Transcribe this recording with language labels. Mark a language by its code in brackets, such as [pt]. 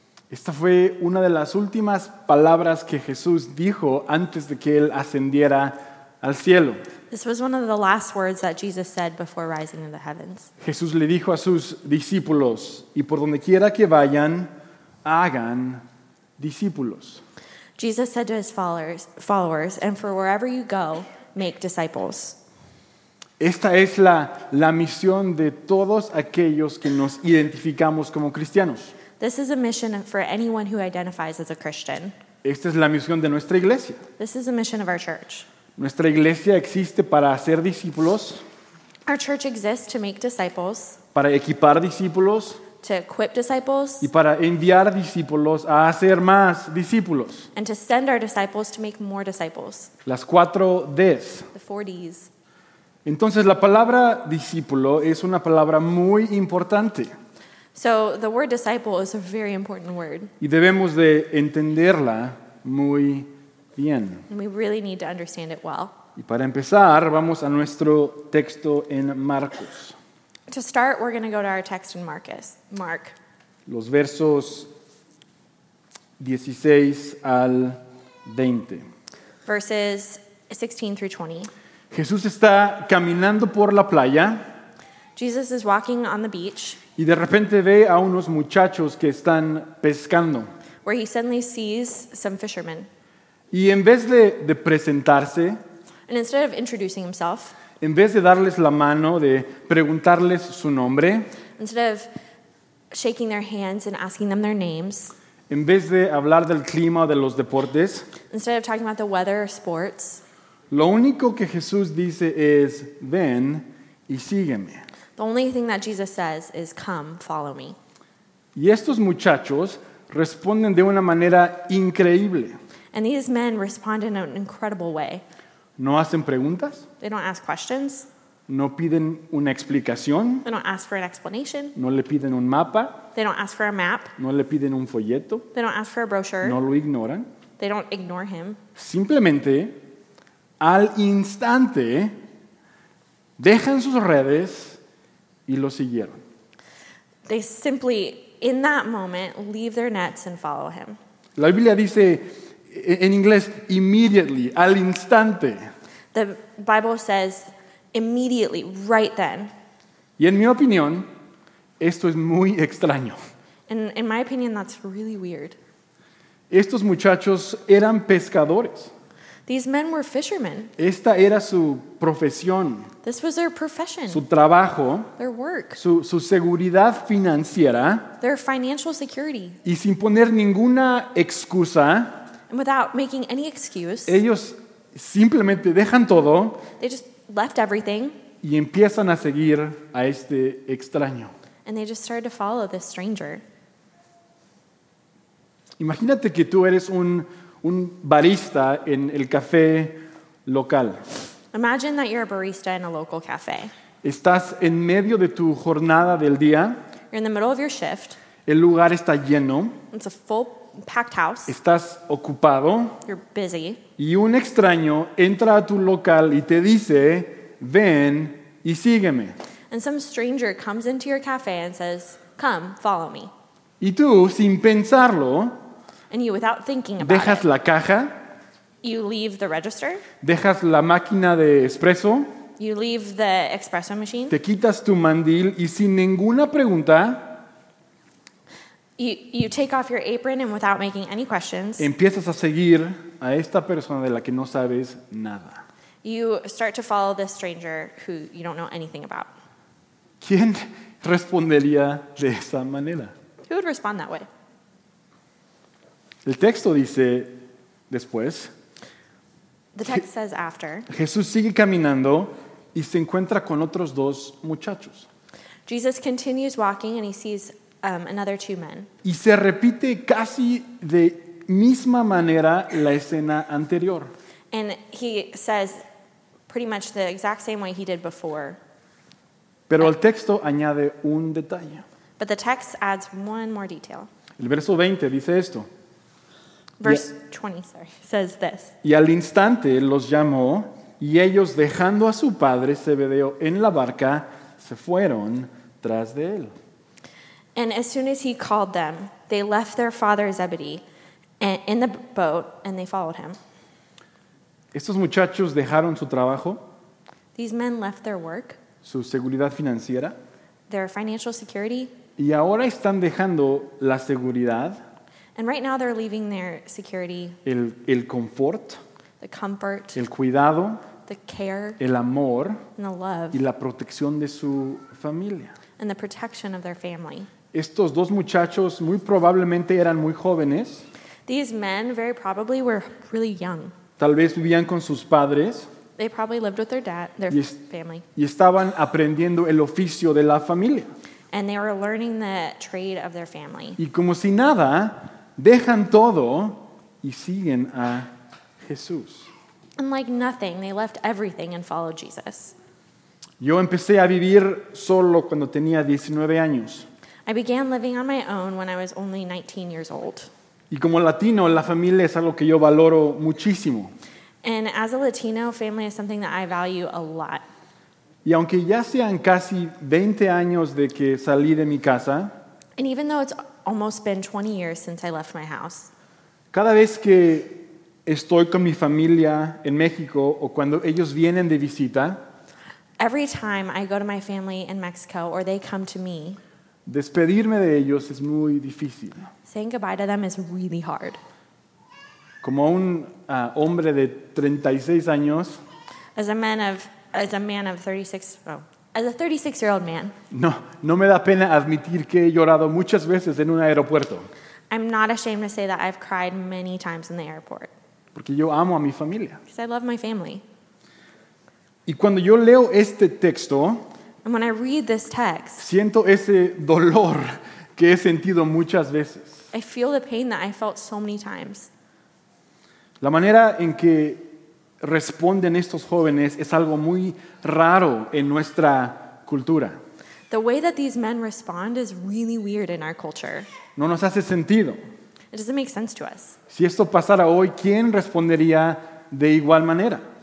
[es] Esta fue una de las últimas palabras que Jesús dijo antes de que él ascendiera al cielo. [en] This was one of the last words that Jesus said before rising into the heavens. [es] Jesús le dijo a sus discípulos, y por donde quiera que vayan, hagan discípulos. [en] Jesus said to his followers, and for wherever you go, make disciples. [es] Esta es la misión de todos aquellos que nos identificamos como cristianos. [en] This is a mission for anyone who identifies as a Christian. [es] Esta es la misión de nuestra iglesia. [en] This is a mission of our church. [es] Nuestra iglesia existe para hacer discípulos. [en] Our church exists to make disciples. [es] Para equipar discípulos. [en] To equip disciples. [es] Y para enviar discípulos a hacer más discípulos. [en] And to send our disciples to make more disciples. [es] Las cuatro D's. [en] The four D's. [es] Entonces, la palabra discípulo es una palabra muy importante. [en] So, the word disciple is a very important word. [es] Y debemos de entenderla muy bien. [en] And we really need to understand it well. [es] Y para empezar, vamos a nuestro texto en Marcos. [en] To start, we're going to go to our text in Mark. [es] Los versos 16 al 20. [en] Verses 16 through 20. [es] Jesús está caminando por la playa. [en] Jesus is walking on the beach. [es] Y de repente ve a unos muchachos que están pescando. [en] Where he suddenly sees some fishermen. [es] Y en vez de presentarse, [en] and instead of introducing himself, [es] en vez de darles la mano, de preguntarles su nombre, [en] instead of shaking their hands and asking them their names, [es] en vez de hablar del clima o de los deportes, [en] instead of talking about the weather or sports, [es] lo único que Jesús dice es, ven y sígueme. [en] The only thing that Jesus says is, come, follow me. [es] Y estos muchachos responden de una manera increíble. [en] And these men respond in an incredible way. [es] No hacen preguntas. [en] They don't ask questions. [es] No piden una explicación. [en] They don't ask for an explanation. [es] No le piden un mapa. [en] They don't ask for a map. [es] No le piden un folleto. [en] They don't ask for a brochure. [es] No lo ignoran. [en] They don't ignore him. [es] Simplemente, al instante, dejan sus redes y lo siguieron. [en] They simply, in that moment, leave their nets and follow him. [es] La Biblia dice, en inglés, immediately, al instante. [en] The Bible says, immediately, right then. [es] Y en mi opinión, esto es muy extraño. [en] In my opinion, that's really weird. [es] Estos muchachos eran pescadores. [en] These men were fishermen. [es] Esta era su profesión. [en] This was their profession. [es] Su trabajo. [en] Their work. [es] Su seguridad financiera. [en] Their financial security. [es] Y sin poner ninguna excusa. [en] And without making any excuse. [es] Ellos simplemente dejan todo. [en] They just left everything. [es] Y empiezan a seguir a este extraño. [en] And they just started to follow this stranger. [es] Imagínate que tú eres un barista en el café local. [en] Imagine that you're a barista in a local cafe. [es] Estás en medio de tu jornada del día. [en] You're in the middle of your shift. [es] El lugar está lleno. [en] It's a full packed house. [es] Estás ocupado. [en] You're busy. [es] Y un extraño entra a tu local y te dice, ven y sígueme. [en] And some stranger comes into your cafe and says, come, follow me. [es] Y tú, sin pensarlo, [en] and you, without thinking about [es] dejas [en] it, [es] la caja, [en] you leave the register, [es] dejas la máquina de espresso, [en] you leave the espresso machine, [es] te quitas tu mandil y sin ninguna pregunta, [en] You take off your apron and without making any questions. [es] Empiezas a seguir a esta persona de la que no sabes nada. [en] You start to follow this stranger who you don't know anything about. [es] ¿Quién respondería de esa manera? [en] Who would respond that way? [es] El texto dice después. [en] The text says after. [es] Jesús sigue caminando y se encuentra con otros dos muchachos. [en] Jesus continues walking and he sees another two men. [es] Y se repite casi de misma manera la escena anterior. [en] And he says pretty much the exact same way he did before. [es] Pero el texto añade un detalle. [en] But the text adds one more detail. [es] El verso 20 dice esto. [en] Verse 20 says this. [es] Y al instante los llamó, y ellos dejando a su padre Zebedeo en la barca, se fueron tras de él. [en] And as soon as he called them, they left their father Zebedee in the boat, and they followed him. [es] Estos muchachos dejaron su trabajo. [en] These men left their work. [es] Su seguridad financiera. [en] Their financial security. [es] Y ahora están dejando la seguridad. [en] And right now they're leaving their security. [es] El confort. [en] The comfort. [es] El cuidado. [en] The care. [es] El amor. [en] And the love. [es] Y la protección de su familia. [en] And the protection of their family. [es] Estos dos muchachos muy probablemente eran muy jóvenes. [en] These men very probably were really young. [es] Tal vez vivían con sus padres. [en] They probably lived with their dad, their family. [es] Y estaban aprendiendo el oficio de la familia. [en] And they were learning the trade of their family. [es] Y como si nada, dejan todo y siguen a Jesús. [en] And like nothing, they left everything and followed Jesus. [es] Yo empecé a vivir solo cuando tenía 19 años. [en] I began living on my own when I was only 19 years old. [es] Y como latino, la familia es algo que yo valoro muchísimo. [en] And as a Latino, family is something that I value a lot. [es] Y aunque ya sean casi 20 años de que salí de mi casa, [en] and even though it's almost been 20 years since I left my house, [es] cada vez que estoy con mi familia en México o cuando ellos vienen de visita, [en] every time I go to my family in Mexico or they come to me, [es] despedirme de ellos es muy difícil. [en] Saying goodbye to them is really hard. [es] Como un hombre de 36 años, [en] as a 36-year-old man, [es] no me da pena admitir que he llorado muchas veces en un aeropuerto. [en] I'm not ashamed to say that I've cried many times in the airport. [es] Porque yo amo a mi familia. [en] Because I love my family. [es] Y cuando yo leo este texto, [en] and when I read this text, [es] siento ese dolor que he sentido muchas veces. [en] I feel the pain that I felt so many times. [es] La manera en que responden estos jóvenes es algo muy raro en nuestra cultura. [en] The way that these men respond is really weird in our culture. [es] No nos hace sentido. [en] It doesn't make sense to us. [es] Si esto pasara hoy, ¿quién respondería de igual manera?